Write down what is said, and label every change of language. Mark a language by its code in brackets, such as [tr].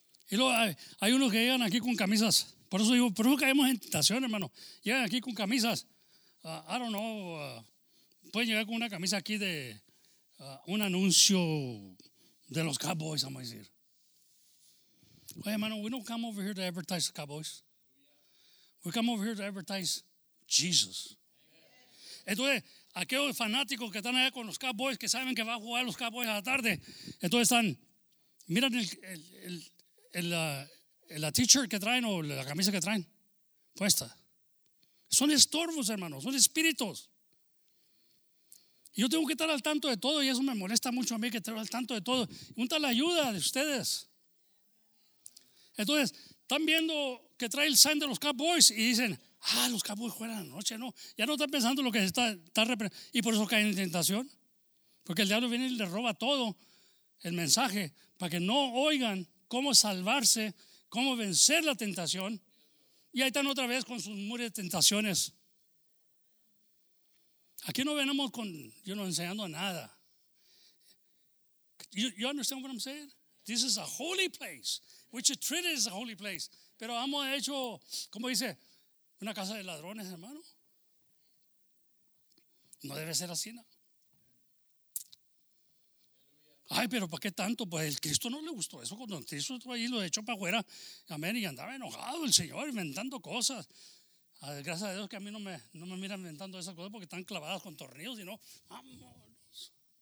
[es] Y luego hay unos que llegan aquí con camisas. Por eso digo, pero no caemos en tentación, hermano. Llegan aquí con camisas. Pueden llegar con una camisa aquí de un anuncio de los Cowboys, vamos a decir. Oye, hermano, [en] we don't come over here to advertise the Cowboys. We come over here to advertise Jesus. [es] Entonces, aquellos fanáticos que están allá con los Cowboys, que saben que va a jugar los Cowboys a la tarde, entonces están, miran la t-shirt que traen o la camisa que traen puesta. Son estorbos, hermanos, son espíritus. Yo tengo que estar al tanto de todo y eso me molesta mucho a mí, que estar al tanto de todo. Junta la ayuda de ustedes. Entonces, están viendo que trae el sign de los Cowboys y dicen, ah, los Cowboys juegan anoche, no. Ya no están pensando lo que está representando. Y por eso caen en tentación. Porque el diablo viene y le roba todo el mensaje para que no oigan cómo salvarse, cómo vencer la tentación. Y ahí están otra vez con sus muros de tentaciones. Aquí no venimos con, yo no enseñando a nada. [en] You understand what I'm saying? This is a holy place, which is treated as a holy place. [es] Pero hemos hecho, como dice, una casa de ladrones, hermano. No debe ser así, ¿no? Ay, pero ¿para qué tanto? Pues el Cristo no le gustó eso. Cuando el Cristo estuvo ahí, lo echó para afuera. Amén. Y andaba enojado el Señor, inventando cosas. Gracias a Dios que a mí no me miran inventando esas cosas porque están clavadas con tornillos, sino, vámonos.